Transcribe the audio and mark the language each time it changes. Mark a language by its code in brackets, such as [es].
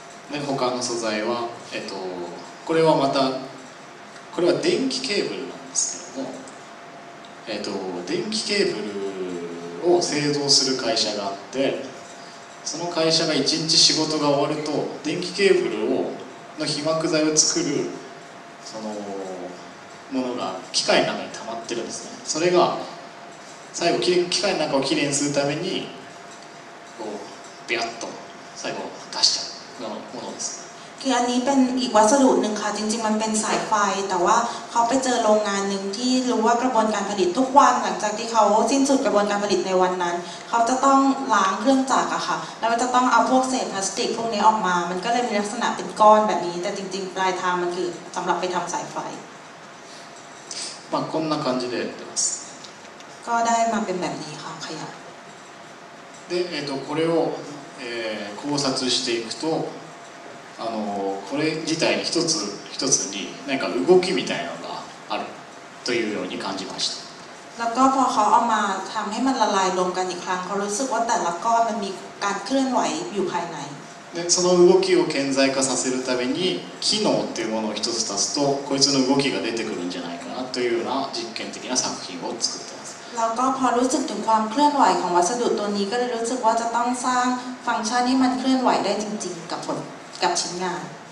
[ja] で、他の素材は、これはまたこれは電気ケーブルなんですけども、電気ケーブルを製造する会社があって、その会社が1日仕事が終わると、電気ケーブルをの被膜材を作るそのものが機械の中に溜まってるんですね。それが最後機械の中をきれいにするためにこうビャッと最後出しちゃうようなものです。 [th] คืออันนี้เป็นอีกวัสดุหนึ่งค่ะจริงๆมันเป็นสายไฟแต่ว่าเขาไปเจอโรงงานหนึ่งที่รู้ว่ากระบวนการผลิตทุกวันหลังจากที่เขาสิ้นสุดกระบวนการผลิตในวันนั้นเขาจะต้องล้างเครื่องจักรอะค่ะแล้วมันจะต้องเอาพวกเศษพลาสติกพวกนี้ออกมามันก็เลยมีลักษณะเป็นก้อนแบบนี้แต่จริงๆปลายทางมันคือสำหรับไปทำสายไฟ [ja] こんな感じでやってます [th] ก็ได้มาเป็นแบบนี้ค่ะขยะ [ja] でこれを考察していくとこれ自体に一つ一つに何か動きみたいなのがあるというように感じました。 [th] แล้วก็พอเขาเอามาทำให้มันละลายลงกันอีกครั้งเขารู้สึกว่าแต่ละก้อนมันมีการเคลื่อนไหวอยู่ภายใน [ja] でその動きを顕在化させるために機能っていうものを一つ足すとこいつの動きが出てくるんじゃないかなというような実験的な作品を作っています。 [th] แล้วก็พอรู้สึกถึงความเคลื่อนไหวของวัสดุตัวนี้ก็เลยรู้สึกว่าจะต้องสร้างฟังก์ชันที่มันเคลื่อนไหวได้จริงๆกับผลกับชิ้นงาน